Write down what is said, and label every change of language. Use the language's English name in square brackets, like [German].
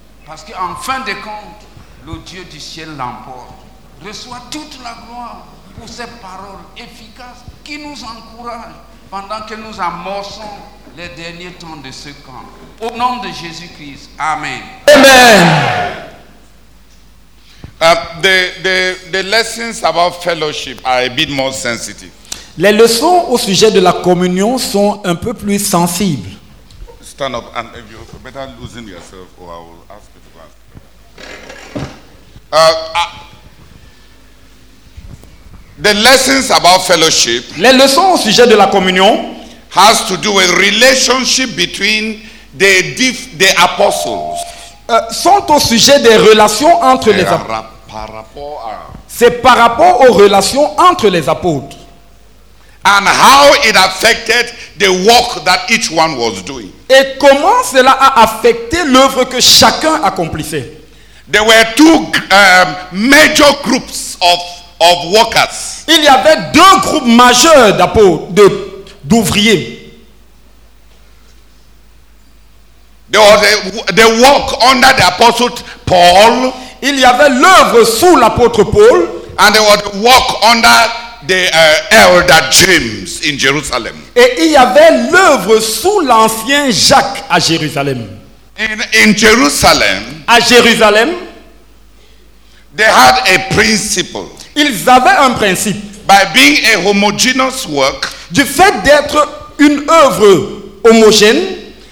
[French] Parce qu'en fin de compte, le Dieu du ciel l'emporte. Reçois toute la gloire pour ces paroles efficaces qui nous encouragent pendant que nous amorçons les derniers temps de ce camp. Au nom de Jésus-Christ, amen. Amen. [English] The lessons about fellowship are a bit more sensitive. [French] Les leçons au sujet de la communion sont un peu plus sensibles. [English] Stand up and if you better loosen yourself or I will ask you to go. The lessons about fellowship, [French] les leçons au sujet de la communion, [English] has to do with relationship between the apostles. [French] Sont au sujet des relations entre les apôtres. C'est par rapport aux relations entre les apôtres. [English] And how it affected the work that each one was doing. [French] Et comment cela a affecté l'œuvre que chacun accomplissait. [English] There were two major groups of workers. [French] Il y avait deux groupes majeurs d'ouvriers. [English] There was the work under the apostle Paul. [French] Il y avait l'œuvre sous l'apôtre Paul. [English] And there was the work under the elder James in Jerusalem. [French] Et il y avait l'œuvre sous l'ancien Jacques à Jérusalem. [English] In Jerusalem. [French] À Jérusalem. [English] They had a principle. [French] Ils avaient un principe. [English] By being a homogeneous work, [French] du fait d'être une œuvre homogène,